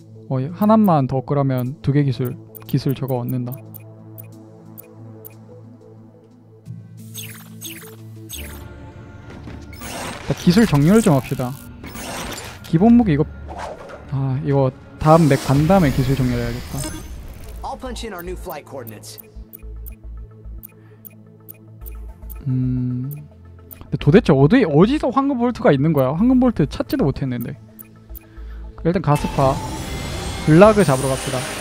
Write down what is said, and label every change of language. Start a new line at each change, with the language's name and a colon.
Korean: 어, 하나만 더 끌으면 두 개 기술 저거 얻는다. 자, 기술 정렬 좀 합시다. 기본 무기 이거. 아 이거 다음 맵 간 다음에 기술 정렬해야겠다.
English: I'll punch in our new flight coordinates.
Korean: 근데 도대체 어디서 황금 볼트가 있는 거야? 황금 볼트 찾지도 못했는데. 일단 가스파 블라그 잡으러 갑시다.